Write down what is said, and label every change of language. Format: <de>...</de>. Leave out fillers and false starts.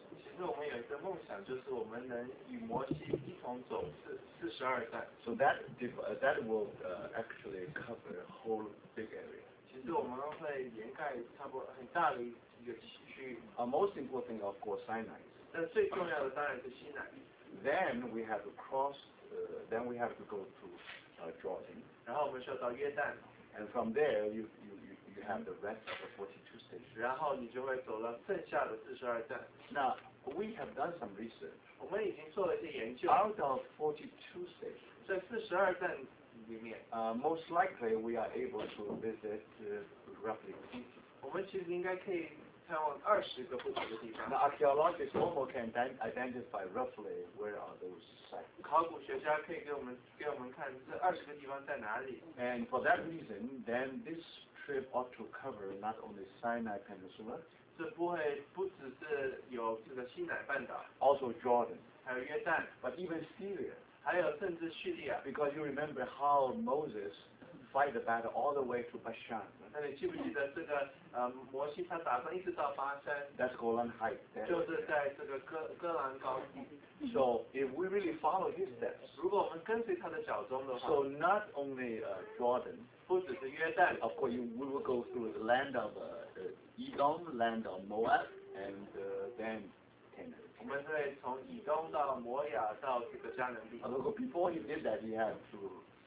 <zh>其实我们有一个梦想，就是我们能与摩西一同走42站。</zh> <en>So that will actually cover a whole big area.</en> <zh>其实我们会掩盖差不多很大的一个区域。</zh> <en>A most important thing of course Sinai.</en> <zh>但最重要的当然是西奈。</zh> <en>Then we have to cross, then we have to go to Jordan.</en> <zh>然后我们需要到约旦。</zh> <en>And from there you have the rest of the 42 stations.</en> <zh>然后你就会走了剩下的42站。</zh> <en>Now we have done some research.</en> <zh>我们已经做了一些研究。</zh> <en>Out of 42 stations.</en> <zh>在42站里面</zh> <en>most likely we are able to visit roughly 50.</en> <zh>我们其实应该可以那</zh> <en>archaeologists almost can identify roughly where are those sites.</en> <zh>考古学家可以给我们看这二十个地方在哪里。</zh> <en>And for that reason, then this trip ought to cover not only Sinai Peninsula.</en> <zh>这不会不只是有这个西乃半岛。</zh> <en>Also Jordan.</en> <zh>还有约旦。</zh> <en>But even Syria.</en> <zh>还有甚至叙利亚。</zh> <en>Because you remember how Moses fight the battle all the way to Bashan.</en> <zh>那你记不记得这个摩西他打算一直到巴山</zh> <en>？That's Golan Heights.</en> <zh>就是在这个戈兰高地。</zh> <en>So if we really follow his steps,</en> <zh>如果我们跟随他的脚踪的话</zh> <en>，So not only Jordan,</en> <zh>不只是约旦</zh> <en>，Of course you we will go through the land of Edom, land of Moab, and then Canaan.</en> <zh>我们会从以东到摩亚到这个迦南地。</zh> <en>And look, before he did that, he had to.</en>